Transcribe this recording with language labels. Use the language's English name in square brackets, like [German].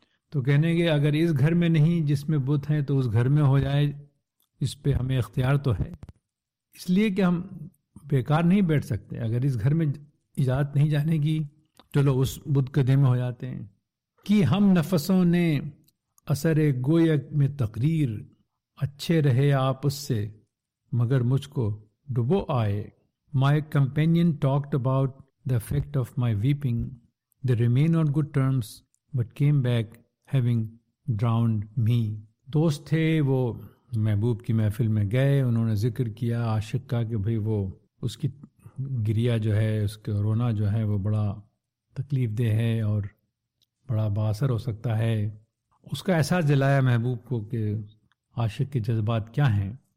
[Urdu] تو کہنے گے اگر اس گھر میں نہیں جس میں بت ہیں تو اس گھر میں ہو جائے، اس پہ ہمیں اختیار تو ہے، اس لیے کہ ہم بیکار نہیں بیٹھ سکتے. اگر اس گھر میں اجازت نہیں جانے کی، چلو اس بت قدے میں ہو جاتے ہیں. کہ ہم نفسوں نے اثر گویک میں تقریر، اچھے رہے آپ اس سے مگر مجھ کو ڈبو آئے. [English] My companion talked about the effect of my weeping. They remained on good terms but came back having drowned me. [Urdu] دوست تھے وہ، محبوب کی محفل میں گئے، انہوں نے ذکر کیا عاشق کا کہ بھائی وہ اس کی گریا جو ہے، اس کا رونا جو ہے وہ بڑا تکلیف دہ ہے اور بڑا باثر ہو سکتا ہے. اس کا احساس دلایا محبوب کو کہ عاشق کے جذبات کیا ہیں.